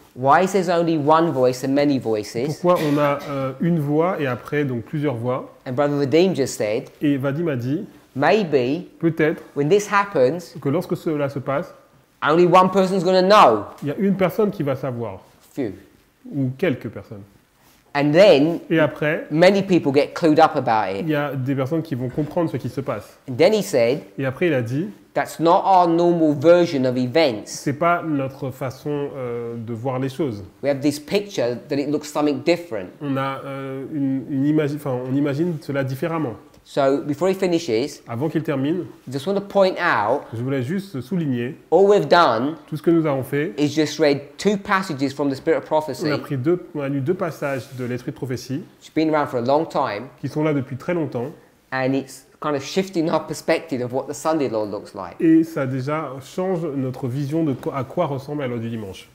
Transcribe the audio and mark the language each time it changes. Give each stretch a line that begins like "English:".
English: Why is there only one voice and many voices?
French: Pourquoi on a une voix et après donc plusieurs voix?
English: And Brother Vadim just said.
French: Et Vadim a dit.
English: Maybe.
French: Peut-être.
English: When this happens.
French: Que lorsque cela se passe.
English: Only one person is going to know.
French: Il y a une personne qui va savoir.
English: Few.
French: Ou quelques personnes.
English: And then,
French: et après,
English: many people get clued up about it.
French: Il y a des personnes qui vont comprendre ce qui se passe.
English: And then he said,
French: et après, il a dit,
English: that's not our normal version of events.
French: C'est pas notre façon de voir les choses.
English: We have this picture that it looks something different.
French: On a une image, enfin, on imagine cela différemment.
English: So before he finishes,
French: avant qu'il termine,
English: I just want to point out,
French: je voulais juste souligner,
English: all we've done,
French: tout ce que nous avons fait,
English: is just read two passages from the Spirit of Prophecy.
French: On a lu deux passages de l'Esprit de prophétie.
English: It's been around for a long time.
French: Qui sont là depuis très longtemps.
English: And it's kind of shifting our perspective of what the Sunday law looks like.
French: Et ça déjà change notre vision de à quoi ressemble la loi du dimanche.